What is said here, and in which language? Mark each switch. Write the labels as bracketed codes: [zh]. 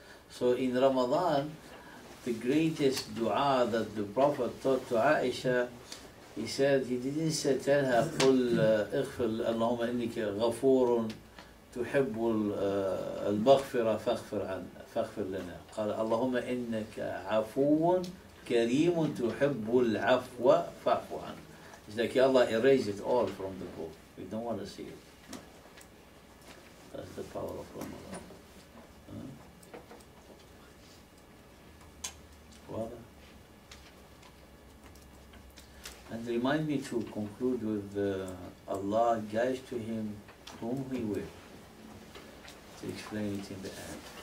[en] So in Ramadan, the greatest dua that the Prophet taught to Aisha, he said, he didn't say, tell her, [ar] قُلْ اِغْفِرْ اللَّهُمَّ إِنِّكَ غَفُورٌ تُحِبُّ الْمَغْفِرَ فَاغْفِرْ لَنَا. قال, اللهم إنك عفو كريم تحب العفو فاعفو عنا. [en] It's like, ya Allah, erase it all from the book. We don't want to see it. That's the power of Ramadan. And remind me to conclude with Allah guides to him whom he will, to explain it in the end.